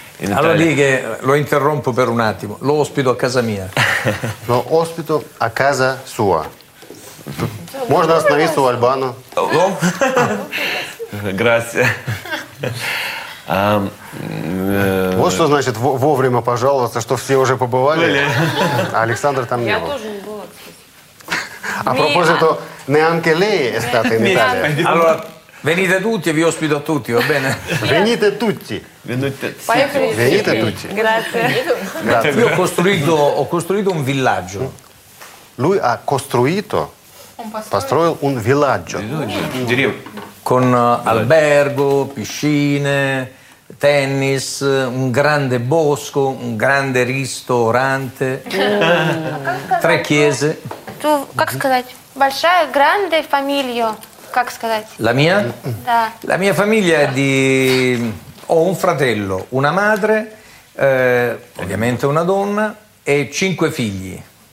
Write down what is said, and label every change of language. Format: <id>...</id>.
<it>Allora lì che lo interrompo per un attimo, lo ospito a casa mia. Lo ospito a casa sua.</it> <ru>Можно остановиться у Альбана?</ru> <it>Grazie.</it> <ru>Вот что значит вовремя пожаловаться, что все уже побывали. А Александр там не был. Я тоже не была.</ru> <it>A proposito, neanche lei è stata in Italia. Allora, venite tutti e vi ospito a tutti, va bene? Venite tutti. Venite tutti. Grazie. Io ho costruito un villaggio. Lui ha costruito,</it> <ru>построил</ru> <it>un villaggio. Con albergo, piscine, tennis, un grande bosco, un grande ristorante, tre chiese. Tu,</it> <ru>как сказать? Большая,</ru> <it>grande famiglia,</it> <ru>как сказать?</ru> <it>La mia?</it> <ru>Da.</ru> <it>La mia famiglia è di... Ho un fratello, una madre, ovviamente una donna, e cinque figli.</it>